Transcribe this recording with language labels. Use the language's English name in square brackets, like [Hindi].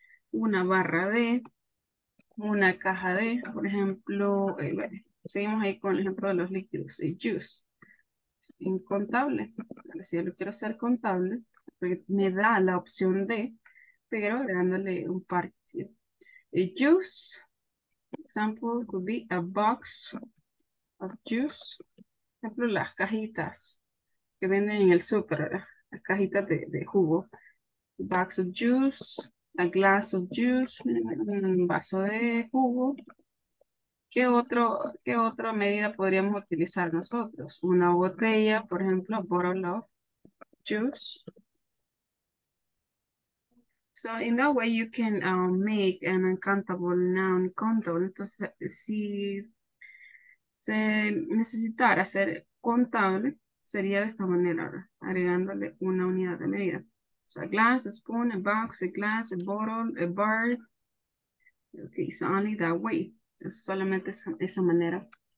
[Spanish] Una barra de, una caja de, por ejemplo, bueno, seguimos ahí con el ejemplo de los líquidos, el juice, es incontable, si yo lo quiero hacer contable, me da la opción de, pero agregándole un partitivo. [English] El juice, example could be a box of juice. [Spanish] Por ejemplo, las cajitas que venden en el súper, las cajitas de jugo. [English] A box of juice, a glass of juice, [Spanish] un vaso de jugo. Qué otra medida podríamos utilizar nosotros? Una botella, por ejemplo, [English] a bottle of juice. So in that way you can make an uncountable noun countable. [Spanish] Entonces, si se necesitara ser contable, sería de esta manera, agregándole una unidad de medida. [English] So a glass, a spoon, a box, a glass, a bottle, a bar. Okay, so only that way. [Spanish] Entonces, solamente esa manera.